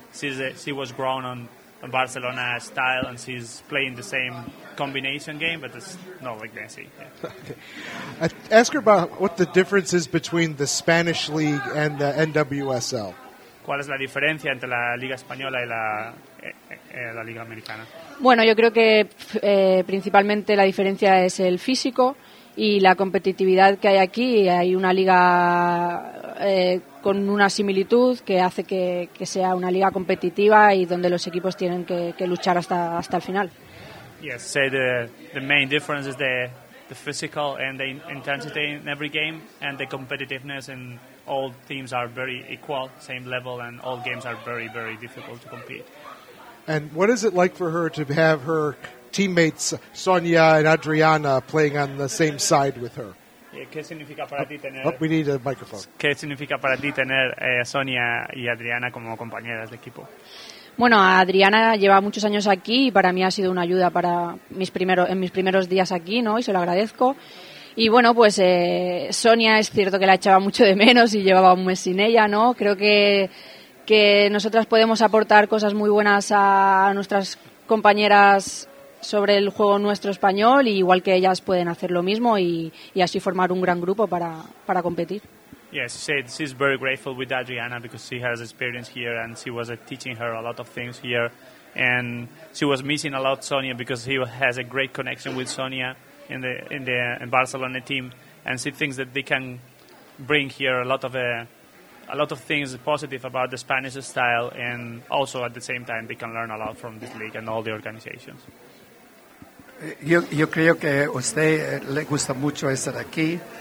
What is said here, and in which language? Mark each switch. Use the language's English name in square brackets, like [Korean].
[English] She was grown on Barcelona style, and she's playing the same combination game, but it's not like Messi. Yeah. Okay. Ask her about what the difference is between the Spanish league and the NWSL. [Spanish] ¿Cuál es la diferencia entre la Liga Española y la Liga Americana? Bueno, yo creo que principalmente la diferencia es el físico y la competitividad que hay aquí. Hay una liga con una similitud que hace que sea una liga competitiva y donde los equipos tienen que luchar hasta el final. [English] Yes, so the main difference is the physical and the intensity in every game and the competitiveness in all teams are very equal, same level, and all games are very, very difficult to compete. And what is it like for her to have her teammates Sonia and Adriana playing on the same side with her? [Spanish] ¿Qué significa para ti tener? [English] We need a microphone. [Spanish] ¿Qué significa para ti tener Sonia y Adriana como compañeras de equipo? Bueno, Adriana lleva muchos años aquí y para mí ha sido una ayuda para mis primeros días aquí, ¿no? Y se lo agradezco. Y bueno, pues Sonia es cierto que la echaba mucho de menos y llevaba un mes sin ella, ¿no? Creo que nosotras podemos aportar cosas muy buenas a nuestras compañeras sobre el juego nuestro español, y igual que ellas pueden hacer lo mismo y así formar un gran grupo para competir. [English] Yes, she said she's very grateful with Adriana because she has experience here and she was teaching her a lot of things here, and she was missing a lot Sonia because he has a great connection with Sonia in the Barcelona team, and she thinks that they can bring here a lot of things positive about the Spanish style, and also at the same time they can learn a lot from this league and all the organizations. [Spanish] Yo creo que a usted le gusta mucho estar aquí.